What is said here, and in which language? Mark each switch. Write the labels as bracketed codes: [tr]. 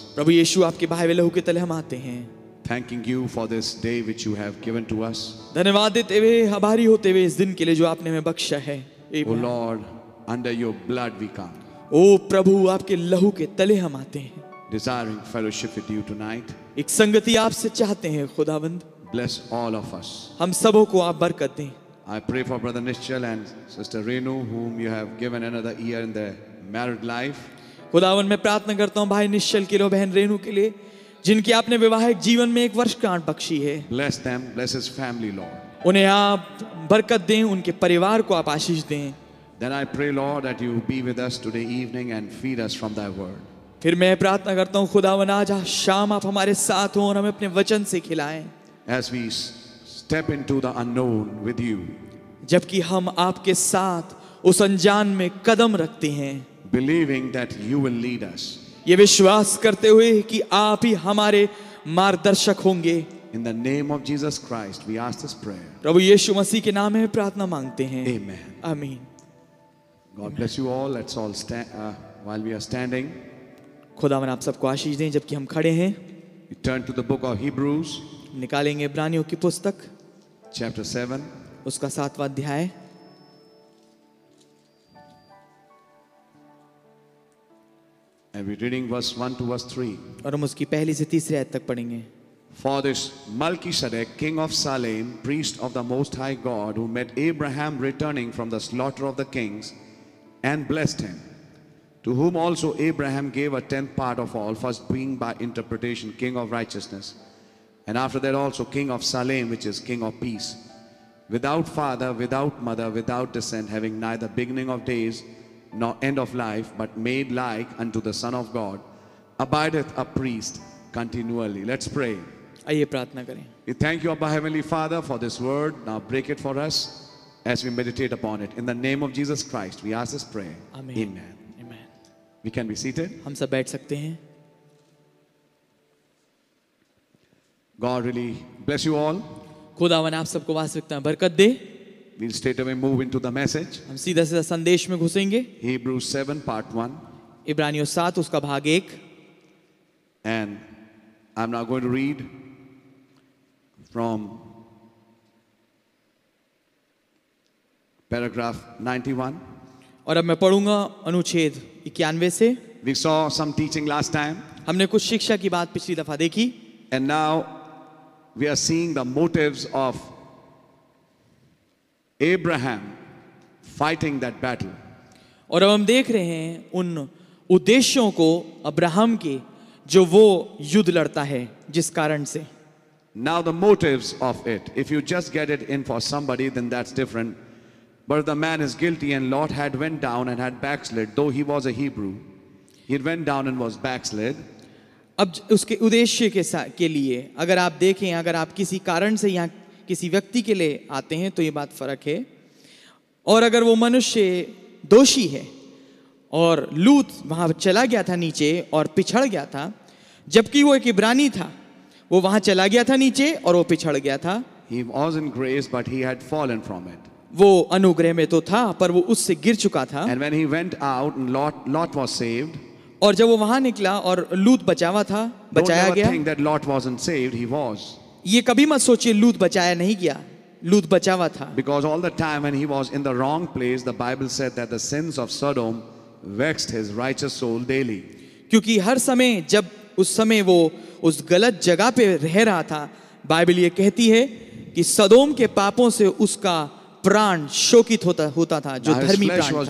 [hi] प्रभु यीशु आपके बहाए हुए लहू के तले हम आते हैं. [en] Thanking you for this day which you have given to us. [hi] धन्यवाद देते हुए, आभारी होते हुए इस दिन के लिए जो आपने हमें बख्शा है. [en] Amen. Oh Lord. Under your blood we come. [hi] ओ प्रभु आपके लहू के तले हम आते हैं. [en] Desiring fellowship with you tonight. [hi] एक संगति आपसे चाहते हैं खुदावंद. [en] Bless all of us. [hi] हम सबों को आप बरकत दें. [en] I pray for brother Nishchal and sister Renu whom you have given another year in their married life. [hi] खुदावंद मैं प्रार्थना करता हूं भाई निश्चल के लिए, बहन रेनु के लिए, जिनकी आपने वैवाहिक जीवन में एक वर्षगांठ बख्शी है. [en] Bless them, bless his family, Lord. [hi] उन्हें आप बरकत दें, उनके परिवार को आप आशीष दें. [en] Then I pray, Lord, that you be with us today evening and feed us from thy word. [hi] फिर मैं प्रार्थना करता हूँ खुदावन आज शाम आप हमारे साथ हों और हमें अपने वचन से खिलाएं. [en] As we step into the unknown with you. [hi] जबकि हम आपके साथ उस अनजान में कदम रखते हैं. [en] Believing that you will lead us. [hi] ये विश्वास करते हुए कि आप ही हमारे मार्गदर्शक होंगे. [en] In the name of Jesus Christ, we ask this prayer. [hi] प्रभु यीशु मसीह के नाम में प्रार्थना मांगते हैं. [en] Amen. [hi] आमीन. [en] God bless you all. Let's all stand while we are standing. [hi] खुदावन आप सबको आशीष दें जबकि हम खड़े हैं. [en] We turn to the book of Hebrews. [hi] निकालेंगे इब्रानियों की पुस्तक. [en] Chapter 7. [hi] उसका सातवां अध्याय. [en] And we're reading verse 1 to verse 3. [hi] और हम उसकी पहली से तीसरे आयत तक पढ़ेंगे. [en] For this Melchizedek, king of Salem, priest of the Most High God, who met Abraham returning from the slaughter of the kings, and blessed him, to whom also Abraham gave a tenth part of all, first being by interpretation king of righteousness, and after that also king of Salem, which is king of peace, without father, without mother, without descent, having neither beginning of days, nor end of life, but made like unto the Son of God, abideth a priest continually. Let's pray. [hi] आइए प्रार्थना करें. [en] We thank you, Abba Heavenly Father, for this word. Now break it for us as we meditate upon it. In the name of Jesus Christ, we ask this prayer. Amen. Amen. Amen. We can be seated. [hi] हम सब बैठ सकते हैं. [en] God really bless you all. [hi] खुदावन आप सबको वास्तविकता में बरकत दे. [en] We'll straight away move into the message. [hi] हम सीधा सीधा संदेश में घुसेंगे. [en] Hebrews 7 part 1. [hi] इब्रानियों 7 उसका भाग 1. [en] And I'm now going to read from paragraph 91. [hi] और अब मैं पढ़ूंगा अनुच्छेद 91 से. [en] We saw some teaching last time. [hi] हमने कुछ शिक्षा की बात पिछली दफा देखी. [en] And now we are seeing the motives of Abraham fighting that battle. [hi] और अब हम देख रहे हैं उन उद्देश्यों को अब्राहम के जो वो युद्ध लड़ता है जिस कारण से. [en] Now the motives of it. If you just get it in for somebody, then that's different. But if the man is guilty and Lot had went down and had backslid, though he was a Hebrew, he had went down and was backslid. [hi] अब उसके उद्देश्य के लिए अगर आप देखें, अगर आप किसी कारण से यहाँ किसी व्यक्ति के लिए आते हैं तो ये बात फर्क है. और अगर वो मनुष्य दोषी है और लूत वहाँ चला गया था नीचे और पिछड़ गया था, जबकि वो एक इब्रानी था, वो वहाँ चला गया था नीचे और वो पिछड़ गया था. [en] He was in grace, but he had fallen from it. [hi] वो अनुग्रह में तो था पर वो उससे गिर चुका था. [en] And when he went out, Lot was saved. [hi] और जब वो वहां निकला और लूत बचावा था, बचाया गया. [en] Don't ever think that Lot wasn't saved, he was. [hi] ये कभी मत सोचिए लूत बचाया नहीं गया, लूत बचावा था. [en] Because all the time when he was in the wrong place, the Bible said that the sins of Sodom vexed his righteous soul daily. [hi] क्योंकि हर समय जब उस समय वो उस गलत जगह पे रह रहा था, बाइबल ये कहती है कि सदोम के पापों से उसका प्राण शोकित होता था, जो धर्मी प्राण था.